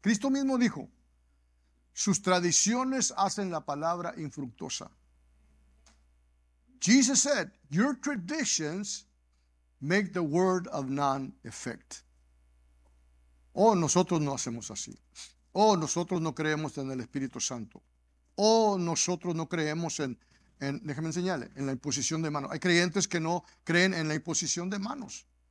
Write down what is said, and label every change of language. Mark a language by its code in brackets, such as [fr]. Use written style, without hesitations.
[es] Cristo mismo dijo, sus tradiciones hacen la palabra infructuosa. [en] Jesus said, your traditions make the word of none effect. [es] Oh, nosotros no hacemos así. Oh, nosotros no creemos en el Espíritu Santo. Oh, nosotros no creemos déjeme enseñarle, en la imposición de manos. Hay creyentes que no creen en la imposición de manos.